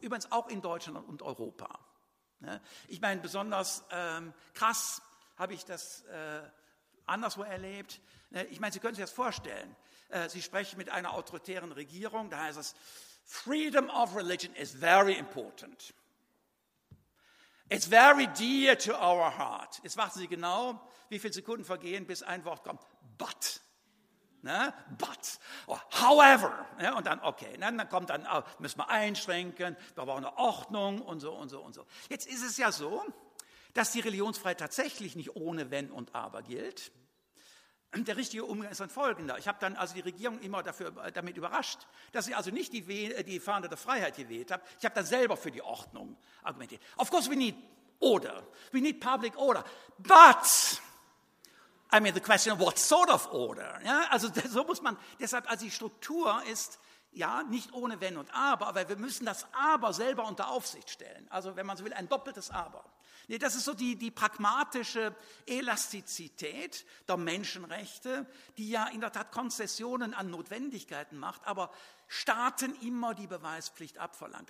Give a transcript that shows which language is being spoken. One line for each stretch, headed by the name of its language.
German: Übrigens auch in Deutschland und Europa. Ich meine, besonders krass habe ich das anderswo erlebt. Ich meine, Sie können sich das vorstellen. Sie sprechen mit einer autoritären Regierung, da heißt es,
English: freedom of religion is very important. It's very dear to our heart.
German: Jetzt warten Sie genau, wie viele Sekunden vergehen, bis ein Wort kommt, but. Ne?
English: But, or however.
German: Ja, und dann, okay, ne? Dann kommt dann, müssen wir einschränken, wir brauchen eine Ordnung und so und so und so. Jetzt ist es ja so, dass die Religionsfreiheit tatsächlich nicht ohne Wenn und Aber gilt. Der richtige Umgang ist dann folgender. Ich habe dann also die Regierung immer damit überrascht, dass ich also nicht die Fahne der Freiheit gewählt habe. Ich habe dann selber für die Ordnung argumentiert.
English: Of course we need public order. But, I mean the question of what sort of order.
German: Ja, also so muss man, deshalb, also die Struktur ist, ja, nicht ohne Wenn und aber wir müssen das Aber selber unter Aufsicht stellen. Also wenn man so will, ein doppeltes Aber. Nee, das ist so die pragmatische Elastizität der Menschenrechte, die ja in der Tat Konzessionen an Notwendigkeiten macht, aber Staaten immer die Beweispflicht abverlangt.